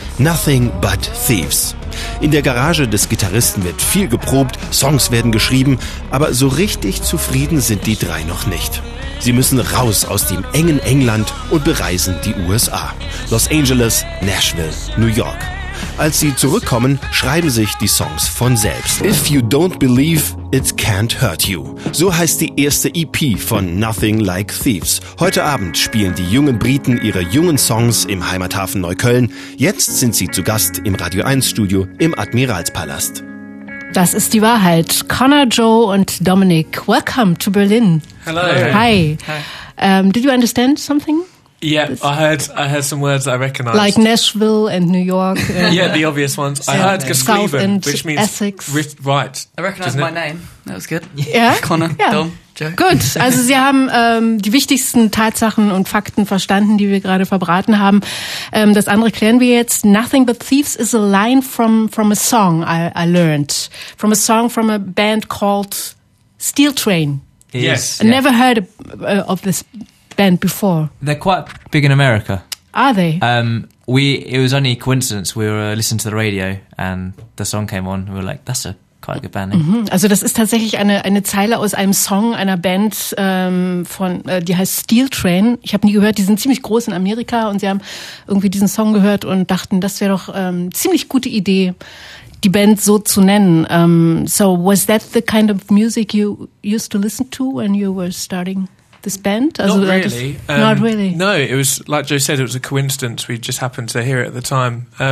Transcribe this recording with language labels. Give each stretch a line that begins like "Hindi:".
German: Nothing but Thieves. In der Garage des Gitarristen wird viel geprobt, Songs werden geschrieben, aber so richtig zufrieden sind die drei noch nicht. Sie müssen raus aus dem engen England und bereisen die USA. Los Angeles, Nashville, New York. Als sie zurückkommen, schreiben sich die Songs von selbst.
English: If you don't believe, it can't hurt you.
German: So heißt die erste EP von Nothing Like Thieves. Heute Abend spielen die jungen Briten ihre jungen Songs im Heimathafen Neukölln. Jetzt sind sie zu Gast im Radio 1 Studio im Admiralspalast. Das ist die Wahrheit. Connor, Joe und Dominic,
English: welcome to Berlin. Hello. Hi. Did you understand something? Yeah, I heard some words I recognized. Like Nashville and New York. Yeah, the obvious ones. I heard Geschrieben, which means Essex. Right. I recognized my name. That was good. Yeah. Connor, yeah. Dom, Joe. Good.
German: Also Sie haben die wichtigsten Tatsachen und Fakten verstanden, die wir gerade verbraten haben. Das andere klären wir jetzt.
English: Nothing but Thieves is a line from a song I learned. From a song from a band called Steel Train. Yes. I never heard of this band before. They're quite big in America. Are they? It was only coincidence. We were listening to the radio and the song came on. We were like, that's quite a good band name. Mm-hmm.
German: Also das ist tatsächlich eine Zeile aus einem Song einer Band die heißt Steel Train. Ich habe nie gehört. Die sind ziemlich groß in Amerika und sie haben irgendwie diesen Song gehört und dachten, das wäre doch ziemlich gute Idee, die Band so zu nennen.
English: So was that the kind of music you used to listen to when you were starting this band? Not really. No, it was, like Joe said, it was a coincidence. We just happened to hear it at the time.